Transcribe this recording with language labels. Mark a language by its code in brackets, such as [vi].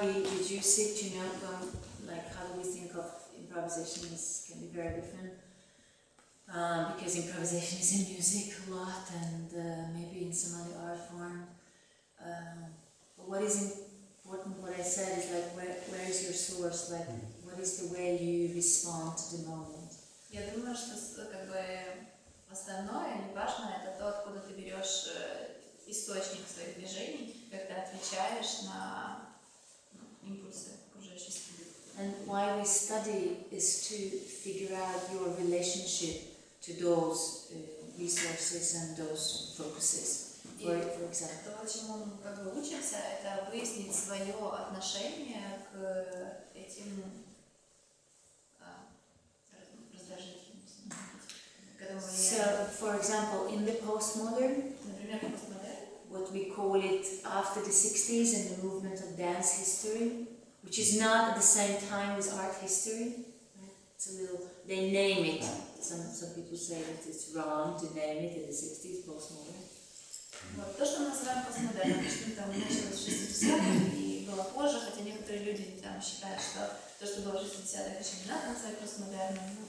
[en] We reduce it, you know, going, like how do we think of improvisation is can be very different because improvisation is in music a lot and maybe in some other art form. But what is important? What I said is like where is your source? Like what is the way you respond to the moment? [ru] Я думаю, что как бы основное не важно это то, откуда ты берешь. Источник своих движений, как ты отвечаешь на импульсы окружающей среды. [en] And why we study is to figure out your relationship to those resources and those focuses. For example. [ru] То, чему мы как бы учимся, это выяснить свое отношение к этим раздражителям. [en] So, for example, in the postmodern. What we call it after the 60s and the movement of dance history, which is not at the same time as art history. It's a little, they name it. Some people say that it's wrong to name it in the 60s, postmodern. [ru] Вот то, что мы называем постмодерном, что там началось в 60-х и было позже, хотя некоторые люди там считают, что то, что было в 60-х, еще не надо называть постмодерном.